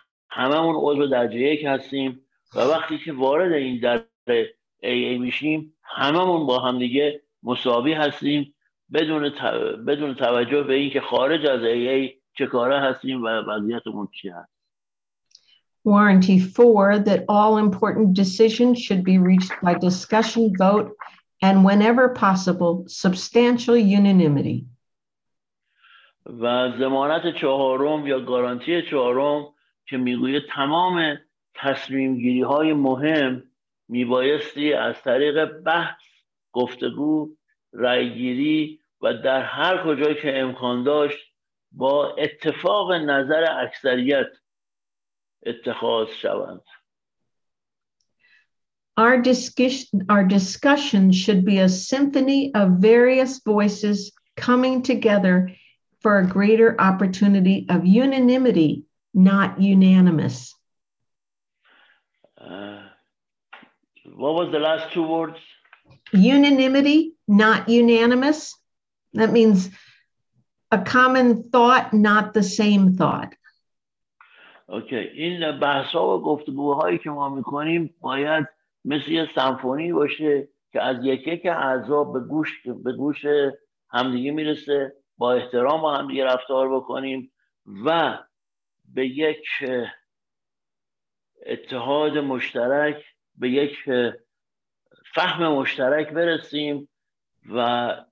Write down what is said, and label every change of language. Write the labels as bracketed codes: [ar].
[fa] هممون عضو درجه یک هستیم و وقتی که وارد این دره AA میشیم، هممون با هم دیگه مساوی هستیم بدون توجه به اینکه خارج از AA چه کاره هستیم و وضعیتمون چی هست. [en] Warranty 4, that all important decisions should be reached by discussion vote and whenever possible substantial unanimity. [fa] و ضمانت چهارم یا گارانتی چهارم که میگه تمام تصمیم گیری های مهم میبایستی از طریق بحث، گفتگو، رأی گیری و در هر کجایی که امکان داشت با اتفاق نظر اکثریت اتخاذ شوند. [en] Our discussion should be a symphony of various voices coming together for a greater opportunity of unanimity, not unanimous. What was the last two words? Unanimity, not unanimous. That means a common thought, not the same thought. Okay. [fa] این بحث‌ها و گفتگوهایی که ما می‌کنیم باید مثل یه سمفونی باشه که از یکی که اعضا به گوش همدیگه میرسه، با احترام با همدیگه رفتار بکنیم و به یک اتحاد مشترک، به یک فهم مشترک برسیم و